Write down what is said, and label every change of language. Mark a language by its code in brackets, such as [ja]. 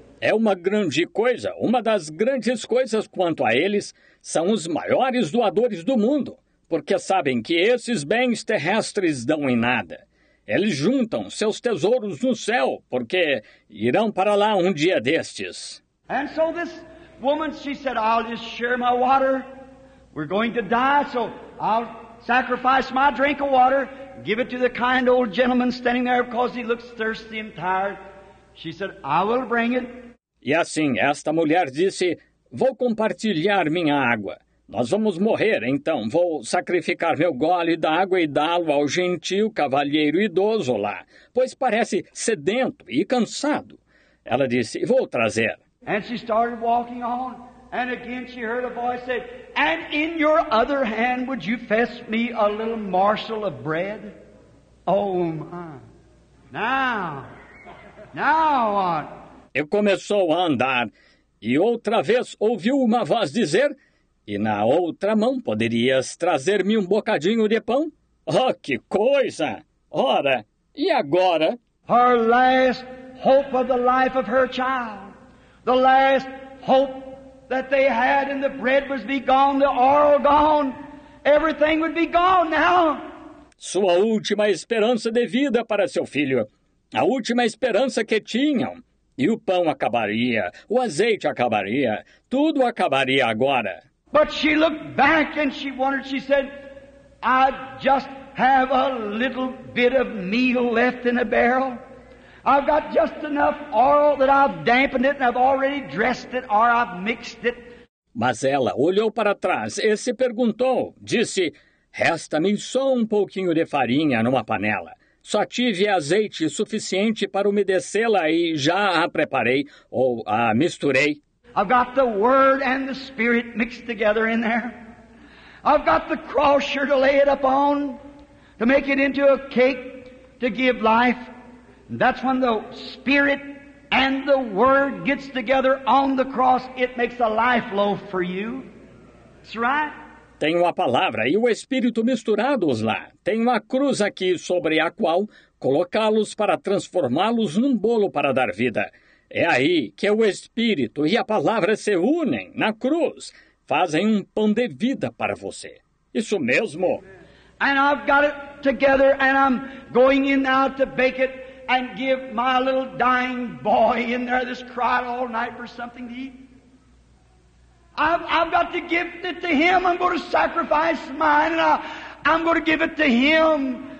[pt] É uma grande coisa, uma das grandes coisas quanto a eles, são os maiores doadores do mundo, porque sabem que esses bens terrestres dão em nada. Eles juntam seus tesouros no céu, porque irão para lá um dia destes. [en] And so this woman, she said, I'll just share my water. We're going to die, so I'll sacrifice my drink of water, give it to the kind old gentleman standing there because he looks thirsty and tired. She said, I will bring it. [pt] E assim, esta mulher disse, vou compartilhar minha água. Nós vamos morrer, então vou sacrificar meu gole d'água e dá-lo ao gentil cavalheiro idoso lá, pois parece sedento e cansado. Ela disse, vou trazer. [en] And she started walking on, and again she heard a voice say, and in your other hand would you fetch me a little morsel of bread? Oh my, now what? [pt] E começou a andar, e outra vez ouviu uma voz dizer, e na outra mão poderias trazer-me um bocadinho de pão? Oh, que coisa! Ora, e agora? [en] Her last hope of the life of her child. The last hope that they had and the bread was be gone, the oil gone. Everything would be gone now. [pt] Sua última esperança de vida para seu filho. A última esperança que tinham. E o pão acabaria, o azeite acabaria, tudo acabaria agora. [en] But she looked back and she wondered, she said, I just have a little bit of meal left in a barrel. I've got just enough oil that I've dampened it and I've already dressed it or I've mixed it. [pt] Mas ela olhou para trás e se perguntou, disse, resta-me só um pouquinho de farinha numa panela. Só tive azeite suficiente para umedecê-la e já a preparei, ou a misturei. [en] I've got the Word and the Spirit mixed together in there. I've got the crusher to lay it upon, to make it into a cake, to give life. And that's when the Spirit and the Word gets together on the cross, it makes a life loaf for you. That's right. [pt] Tenho a palavra e o Espírito misturados lá. Tenho a cruz aqui sobre a qual colocá-los para transformá-los num bolo para dar vida. É aí que o Espírito e a palavra se unem, na cruz. Fazem um pão de vida para você. Isso mesmo. [en] And I've got it together and I'm going in now to bake it and give my little dying boy in there that's cried all night for something to eat. I've got to give it to him. I'm going to sacrifice mine and I'm going to give it to him.